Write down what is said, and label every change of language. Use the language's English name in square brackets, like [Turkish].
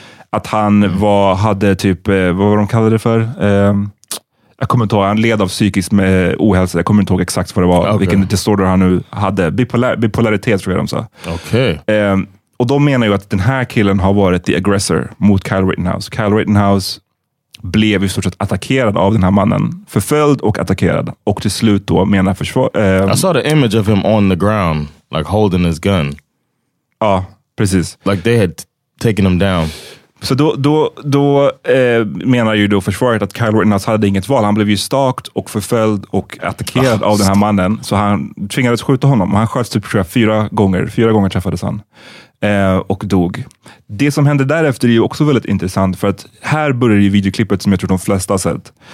[Swedish] Att han hade typ, vad var de kallade det för? Jag kommer inte ihåg, han led av psykisk ohälsa. Jag kommer inte ihåg exakt vad det var. Okay. Vilken disorder han nu hade. Bipolaritet tror jag de sa. [English] Okay. [Swedish] Och de menar ju att den här killen har varit [English] the aggressor [Swedish] mot Kyle Rittenhouse. Kyle Rittenhouse blev i stort sett attackerad av den här mannen. Förföljd och attackerad. Och till slut då menar [English] I saw the image of him on the ground. Like holding his gun. [Swedish] Ja, precis. [English] Like they had taken him down. [Swedish] Så då menar ju då försvaret att Kyle Rittenhouse hade inget val. Han blev ju stalkt och förföljd och attackerad av den här mannen. Så han tvingades skjuta honom. Han sköts typ fyra gånger träffades han. Och dog. Det som hände därefter är ju också väldigt intressant. För att här börjar ju videoklippet som jag tror de flesta har sett.